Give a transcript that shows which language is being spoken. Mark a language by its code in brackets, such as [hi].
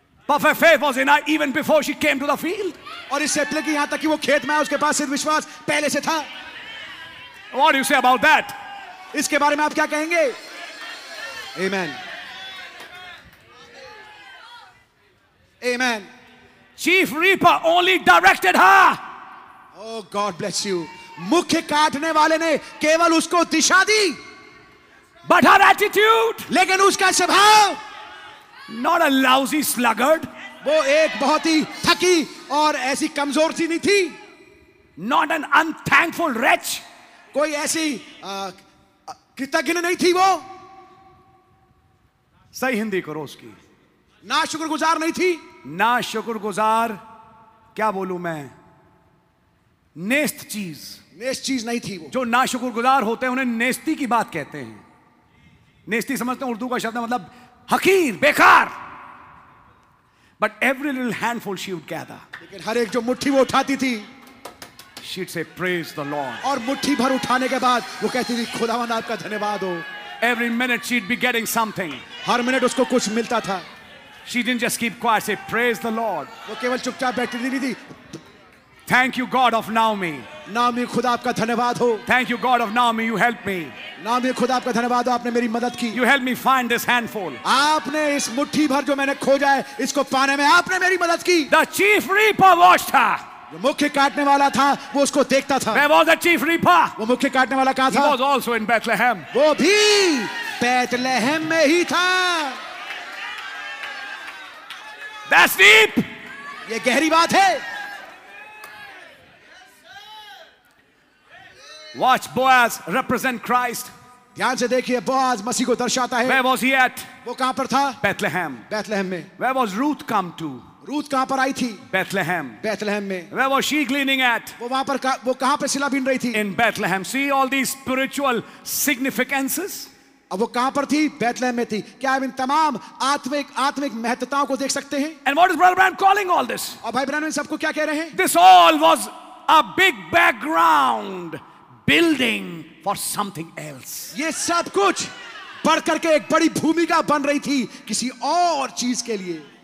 [en] Perfect faith was in her even before she came to the field. [hi] और इससे पहले कि यहाँ तक कि वो खेत में आए, उसके पास सिद्ध विश्वास पहले से था. [en] What do you say about that? [hi] इसके बारे में आप क्या कहेंगे? [en] Amen. Amen. Chief Reaper only directed her. Oh God bless you. [hi] मुख्य काटने वाले ने केवल उसको दिशा दी. [en] But her attitude. [hi] लेकिन उसका स्वभाव. [en] Not a lousy sluggard. [hi] वो एक बहुत ही थकी और ऐसी कमजोर सी नहीं थी. [en] Not an unthankful wretch. [hi] कोई ऐसी कृतज्ञ नहीं थी वो. सही हिंदी करो उसकी. ना शुक्रगुजार नहीं थी. ना शुक्रगुजार क्या बोलूं मैं? नेस्त चीज नहीं थी वो. जो ना शुक्रगुजार होते हैं उन्हें नेस्ती की बात कहते हैं. नेस्ती समझते हैं उर्दू का शब्द मतलब हकीर बेकार. [en] But every little handful she would gather. [hi] लेकिन हर एक जो मुट्ठी वो उठाती थी. [en] She'd say, "Praise the Lord." [hi] और मुट्ठी भर उठाने के बाद वो कहती थी, "खुदावंद आपका धन्यवाद हो." [en] Every minute she'd be getting something. [hi] हर minute उसको कुछ मिलता था. [en] She didn't just keep quiet. Say, "Praise the Lord." [hi] वो केवल चुपचाप बैठी नहीं थी. [en] Thank you, God of Naomi. [hi] Naomi, खुदा आपका धन्यवाद हो. [en] Thank you, God of Naomi. You helped me. [hi] Naomi, खुदा आपका धन्यवाद हो. आपने मेरी मदद की. [en] You helped me find this handful. [hi] आपने इस मुट्ठी भर जो मैंने खोजा है, इसको पाने में आपने मेरी मदद की. [en] The chief reaper watched her. [hi] जो मुख्य काटने वाला था वो उसको देखता था. [en] Where was the chief reaper? [hi] वो मुख्य काटने वाला कहाँ था? [en] He was also in Bethlehem. [hi] वो भी बेतलहम में ही था. [en] That's deep. [hi] ये गहरी बात है. [en] Watch Boaz represent Christ. [hi] ध्यान से देखिए बोआज मसीह को दर्शाता है. [en] Where was he at? [hi] वो कहाँ पर था? [en] Bethlehem. [hi] बेतलहम में. [en] Where was Ruth come to? [hi] Ruth कहां पर आई थी? बेथलहम. बेथलहम में. [en] Where was she gleaning at? [hi] वो वहां पर वो कहां पर सिला बीन रही थी? [en] In Bethlehem. See all these spiritual significances? [hi] अब वो कहां पर थी? बेथलहम में थी. क्या इन तमाम आत्मिक महत्ताओं को देख सकते हैं? [en] And what is Brother Branham calling all this? [hi] और भाई ब्रैनम सबको क्या कह रहे हैं? [en] This all was a big background building for something else. [hi] ये सब कुछ बढ़ करके एक बड़ी भूमिका बन रही थी किसी और चीज के लिए.